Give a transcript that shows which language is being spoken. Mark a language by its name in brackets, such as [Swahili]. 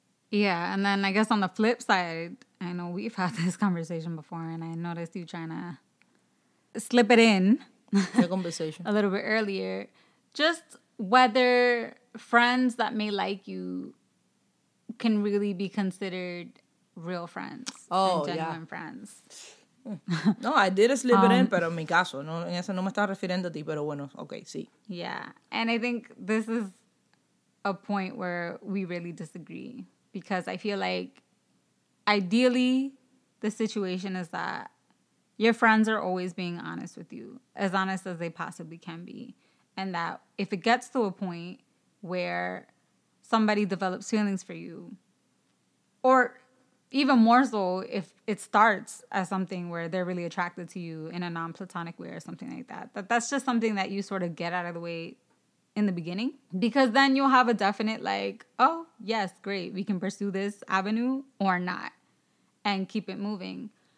[English] Yeah, and then I guess on the flip side, I know we've had this conversation before, and I noticed you trying to slip it in conversation. A little bit earlier. Just whether friends that may like you can really be considered real friends. Oh, and genuine yeah. friends. No, I did slip it in, [Spanish] pero en mi caso. No, en ese no me estaba refiriendo a ti, pero bueno, okay, sí. [English] Yeah, and I think this is a point where we really disagree. Because I feel like, ideally, the situation is that your friends are always being honest with you, as honest as they possibly can be. And that if it gets to a point where somebody develops feelings for you, or even more so, if it starts as something where they're really attracted to you in a non-platonic way or something like that, that's just something that you sort of get out of the way in the beginning, because then you'll have a definite like, oh yes, great, we can pursue this avenue or not and keep it moving.